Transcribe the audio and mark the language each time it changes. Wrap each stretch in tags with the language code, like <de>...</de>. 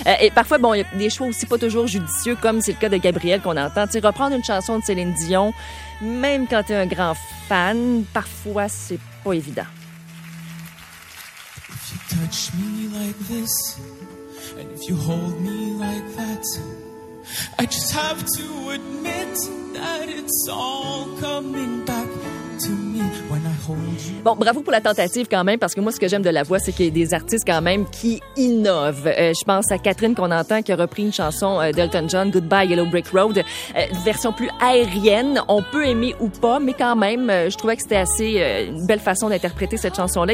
<fr>Et parfois, bon, il y a des choix aussi pas toujours judicieux, comme c'est le cas de Gabriel qu'on entend. Tu sais, reprendre une chanson de Céline Dion, même quand t'es un grand fan, parfois, c'est pas évident.</fr> <en>If you touch me like this, and if you hold me like that, I just have to admit that it's all coming back to me when I hold you.</en> <fr>Bon, bravo pour la tentative quand même, parce que moi, ce que j'aime de La Voix, c'est qu'il y a des artistes quand même qui innovent. Je pense à Catherine qu'on entend, qui a repris une chanson d'Elton John, Goodbye Yellow Brick Road, version plus aérienne. On peut aimer ou pas, mais quand même, je trouvais que c'était assez une belle façon d'interpréter cette chanson-là.</fr>